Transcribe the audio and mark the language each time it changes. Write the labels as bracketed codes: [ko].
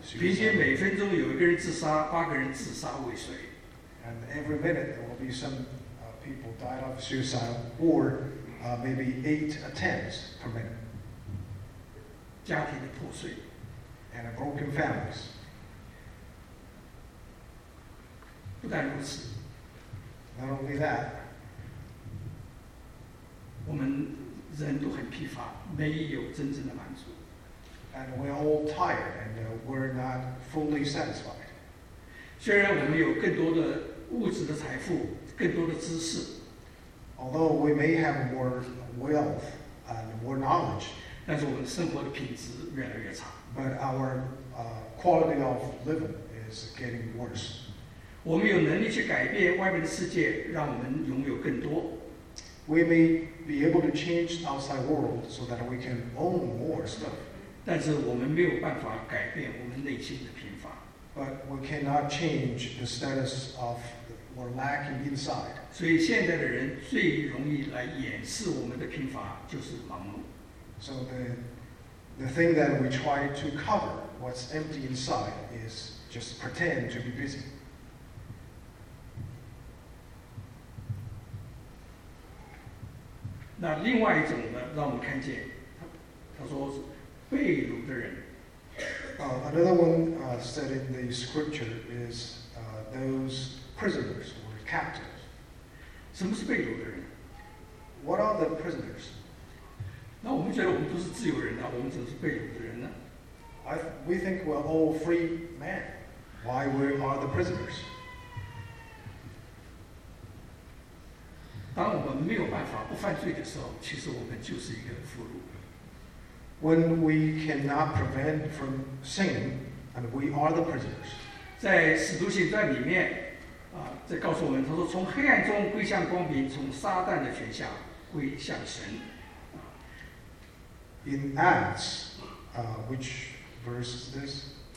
[zh] 平均每分钟有一个人自杀，八个人自杀未遂。 [en] And every minute there will be some people died of suicide or maybe 8 attempts per minute. [zh] 家庭的破碎 [en] and broken families. [zh] 不但如此 [en] not only that, [zh] 我们人都很疲乏，没有真正的满足 [en] and we're all tired and we're not fully satisfied. [zh] 虽然我们有更多的物质的财富，更多的知识。 [en] Although we may have more wealth and more knowledge, [zh] 但是我们生活的品质越来越差。 [en] But our quality of living is getting worse. [zh] 我们有能力去改变外面的世界，让我们拥有更多。 [en] We may be able to change the outside world so that we can own more stuff. [zh] 但是我们没有办法改变我们内心的贫乏。 [en] But we cannot change the status of or lacking inside. [zh] 所以现在的人最容易来掩饰我们的贫乏就是盲目。 [en] So the thing that we try to cover what's empty inside is just pretend to be busy. [zh] 那另外一种呢，让我们看见，他说是被掳的人。 [en] Another one said in the scripture is those prisoners or captives. [zh] 什么是被掳的人？ [en] What are the prisoners? [zh] 那我们觉得我们不是自由人呢、啊？我们怎么是被掳的人呢 [en] ？We think we're all free men. Why we are the prisoners? [zh] 当我们没有办法不犯罪的时候，其实我们就是一个俘虏。 [en] When we cannot prevent from sin, and we are the prisoners. [zh] 在使徒行传里面，在告诉我们，他说从黑暗中归向光明，从撒旦的权下归向神。 [en] In Acts, which verse is this?